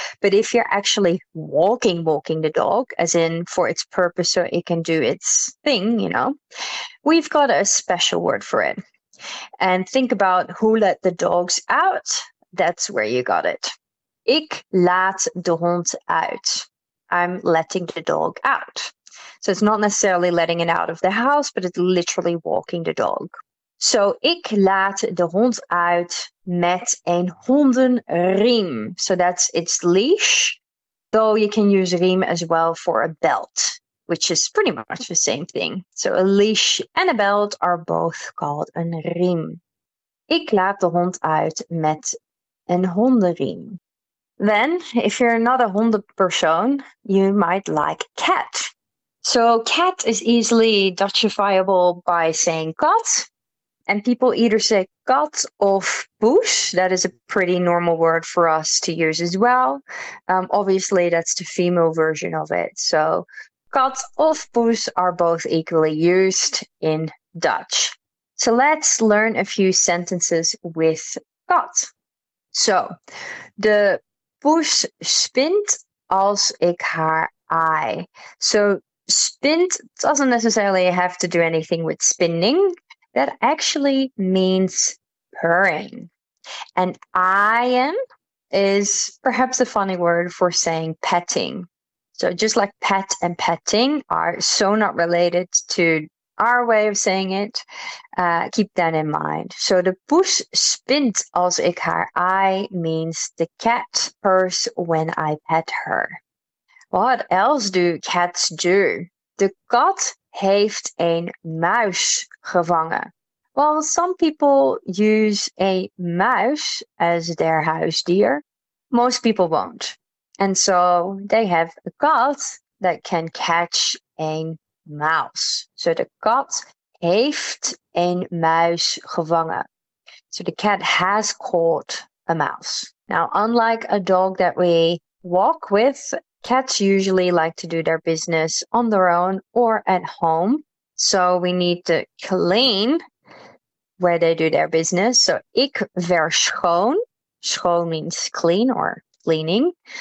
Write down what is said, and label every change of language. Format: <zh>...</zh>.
<en>But if you're actually walking the dog, as in for its purpose so it can do its thing, you know, we've got a special word for it. And think about who let the dogs out. That's where you got it.</en> <nl>Ik laat de hond uit.</nl> <en>I'm letting the dog out. So it's not necessarily letting it out of the house, but it's literally walking the dog.</en> <nl>So, ik laat de hond uit met een hondenriem.</nl> <en>So, that's its leash. Though you can use riem as well for a belt, which is pretty much the same thing. So, a leash and a belt are both called een riem.</en> <nl>Ik laat de hond uit met een hondenriem.</nl> <en>Then, if you're not a hondenpersoon, you might like cat. So, cat is easily Dutchifiable by saying kat. And people either say kat of poes. That is a pretty normal word for us to use as well. Obviously, that's the female version of it. So kat of poes are both equally used in Dutch. So let's learn a few sentences with kat.</en> <nl>So, de poes spint als ik haar ei.</nl> <en>So spint doesn't necessarily have to do anything with spinning. That actually means purring. And aaien is perhaps a funny word for saying petting. So just like pet and petting are so not related to our way of saying it. Keep that in mind. So</en> <nl>de poes spint als ik haar aai</nl> <en>means the cat purrs when I pet her. What else do cats do?</en> <nl>De kat heeft een muis gevangen.</nl> <en>Well, some people use a mouse as their house deer. Most people won't. And so they have a cat that can catch a mouse. So the cat</en> <nl>heeft een muis gevangen.</nl> <en>So the cat has caught a mouse. Now, unlike a dog that we walk with, cats usually like to do their business on their own or at home. So we need to clean where they do their business. So</en> <nl>ik verschoon.</nl> <en>Schoon means clean or cleaning.</en>